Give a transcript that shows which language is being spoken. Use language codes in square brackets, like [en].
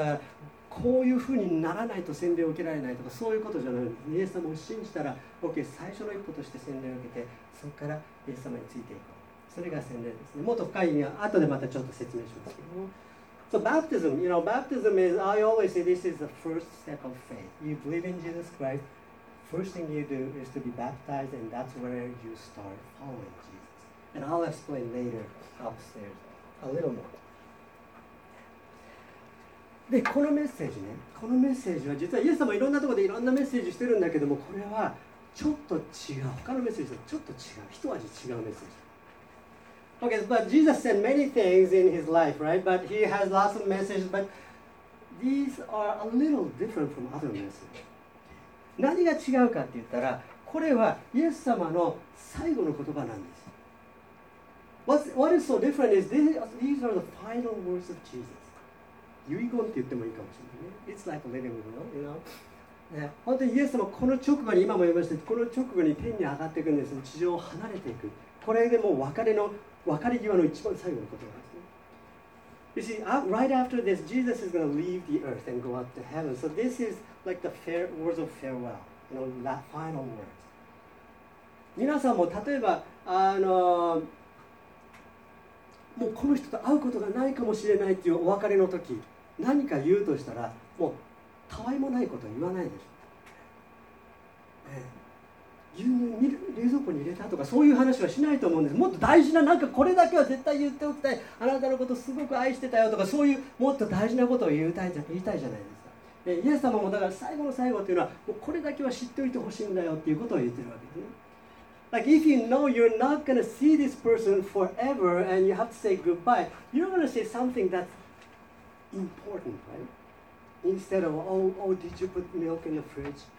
[ja] だからこういうふうにならないと洗礼を受けられないとか、そういうことじゃない。イエス様を信じたら OK、 最初の一歩として洗礼を受けて、そこからイエス様についていこう。それが洗礼ですね。もっと深い意味は後でまたちょっと説明しますけども。 [en] So baptism, you know, baptism is, I always say this is the first step of faith. You believe in Jesus Christ. First thing you do is to be baptized, and that's where you start following Jesus. And I'll explain later upstairs a little more. [ja] で、このメッセージね、このメッセージは実はイエス様いろんなところでいろんなメッセージしてるんだけども、これはちょっと違う。他のメッセージとちょっと違う。一味違うメッセージ。 [en] Okay, but Jesus said many things in his life, right? But he has lots of messages, but these are a little different from other messages. [ja] 何が違うかって言ったら、これはイエス様の最後の言葉なんです。 [en] What is so different is these are the final words of Jesus. [ja] 遺言って言ってもいいかもしれないね。 [en] It's like a living will, you know? [ja] 本当にイエス様、この直後に、今も言いましたけど、この直後に天に上がっていくんです。地上を離れていく。これでもう別れ際の一番最後の言葉ですね。 [en] You see, right after this, Jesus is going to leave the earth and go up to heaven. So this isLike the fair words of farewell, you know, the final words. [ja] 皆さんも例えばもうこの人と会うことがないかもしれないっていうお別れの時、何か言うとしたら、もうたわいもないことは言わないでしょ。ね、牛乳冷蔵庫に入れたとか、そういう話はしないと思うんです。もっと大事な、なんかこれだけは絶対言っておきたい。あなたのことすごく愛してたよとか、そういうもっと大事なことを言いたいじゃないですか。イエス様もだから最後の最後というのは、もうこれだけは知っておいてほしいんだよということを言っているわけですね。 [en] Like if you know you're not going to see this person forever and you have to say goodbye, you're going to say something that's important, right? Instead of, oh, did you put milk in the fridge?